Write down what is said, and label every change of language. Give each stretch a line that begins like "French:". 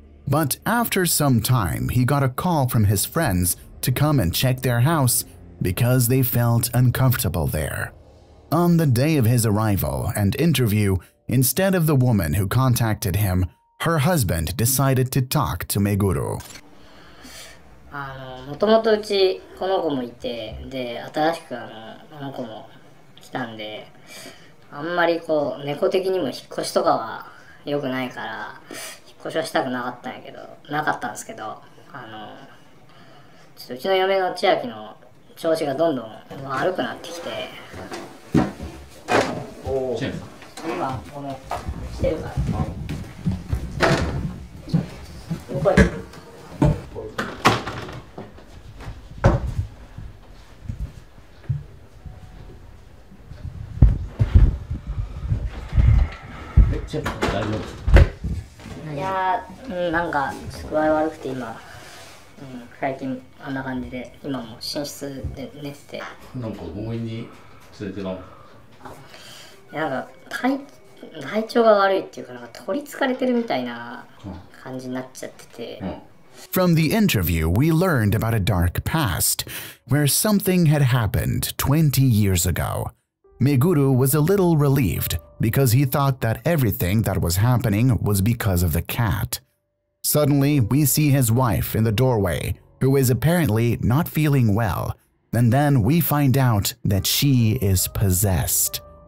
English: But after some time, he got a call from his friends to come and check their house because they felt uncomfortable there. On the day of his arrival and interview, instead of the woman who contacted him, her husband decided to talk to Meguru.
Japanese: もともとうちこの子もいて、で新しくこの子も来たんで、あんまりこう猫的にも引っ越しとかは良くないから、引っ越しはしたくなかったんやけど、なかったんですけど、ちょっとうちの嫁の千秋の調子がどんどん悪くなってきて、おお、今この来てるから、おっぱい。大丈夫。いやー、なんか具合悪くて今、最近あんな感じで今も寝室で寝てて。なんか強引に連れてかん。いやなんか体調が悪いっていうか、なんか取り憑かれてるみたいな感じになっちゃってて。うん、
English: From the interview, we learned about a dark past where something had happened 20 years ago. Meguru was a little relieved. Because he thought that everything that was happening was because of the cat. Suddenly, we see his wife in the doorway, who is apparently not feeling well, and then we find out that she is possessed.